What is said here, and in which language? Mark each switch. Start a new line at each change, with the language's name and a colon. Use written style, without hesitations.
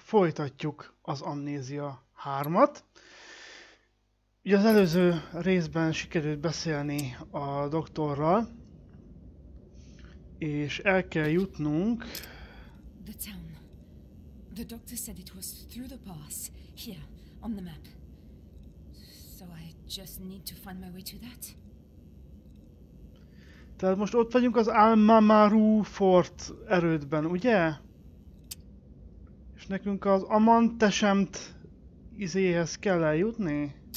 Hungarian: Folytatjuk az Amnézia 3-at. Ugye az előző részben sikerült beszélni a doktorral, és el kell jutnunk...
English: The town. The doctor said it was through the pass. Here, on the map. So I just need to find my way to that.
Hungarian: Tehát most ott vagyunk az Almamaru Fort erődben, ugye? És nekünk az Amantesemt izéhez kell eljutni?